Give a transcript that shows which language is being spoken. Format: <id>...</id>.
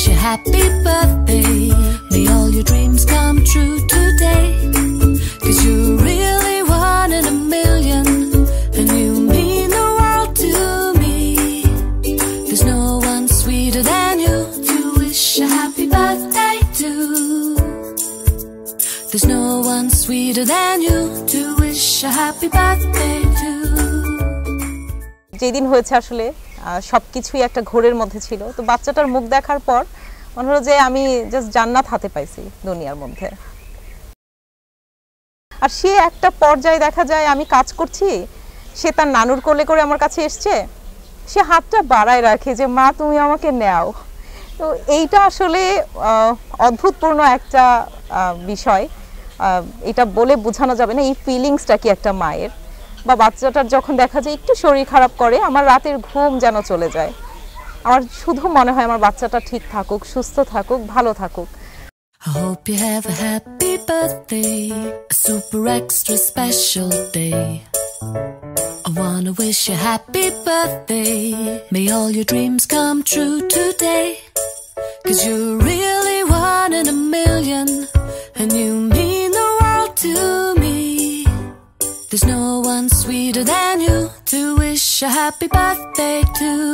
<en>Happy birthday, may all your dreams come true today, 'cause you're really one in a million, and you mean the world to me, there's no one sweeter than you, to wish a happy birthday to, there's no one sweeter than you, to wish a happy birthday to.</en> <bn>যে দিন হয়েছে আসলে সবকিছুই একটা ঘোরের মধ্যে ছিল। তো বাচ্চাটার মুখ দেখার পর মনে হলো যে আমি জাস্ট জান্নাত হাতে পাইছি দুনিয়ার মধ্যে। আর সে একটা পর্যায়ে দেখা যায় আমি কাজ করছি, সে তার নানুর কোলে করে আমার কাছে এসছে, সে হাতটা বাড়ায় রাখে যে মা তুমি আমাকে নেও। তো এইটা আসলে অদ্ভুতপূর্ণ একটা বিষয়, এটা বলে বোঝানো যাবে না এই ফিলিংসটা কি একটা মায়ের। বা বাচ্চাটার যখন দেখা যায় একটু শরীর খারাপ করে, আমার রাতের ঘুম যেন চলে যায়, আমার শুধু মনে হয় আমার বাচ্চাটা ঠিক থাকুক, সুস্থ থাকুক, ভালো থাকুক।</bn> <en>Hope you have a happy birthday, a super extra special day, I wanna wish you a happy birthday, may all your dreams come true today, 'cause you're really one in a million, and you mean the world to me, there's no one sweeter than you, to wish a happy birthday to.</en>